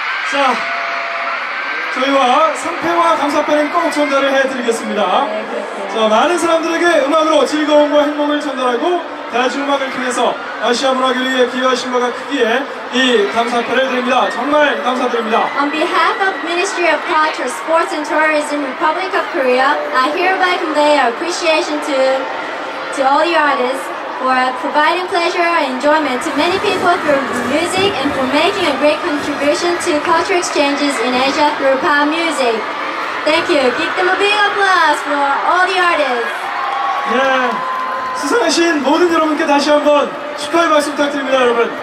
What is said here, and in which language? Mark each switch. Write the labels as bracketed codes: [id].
[ko] 자, 저희와 상패와 감사패는 꼭 전달을 해드리겠습니다. 네, 자, 많은 사람들에게 음악으로 즐거움과 행복을 전달하고 대중음악을 통해서 아시아 문화교류에 기여하신 바가 크기에 이 감사패를 드립니다. 정말 감사드립니다. [en] On behalf of Ministry of Culture, Sports and Tourism, Republic of Korea, I hereby convey our appreciation to all you artists for providing pleasure and enjoyment to many people through music and for making a great contribution to cultural exchanges in Asia through pop music. Thank you. Give them a big applause for all the artists. Yeah. [ko] 수상하신 모든 여러분께 다시 한번 축하의 말씀 부탁드립니다, 여러분.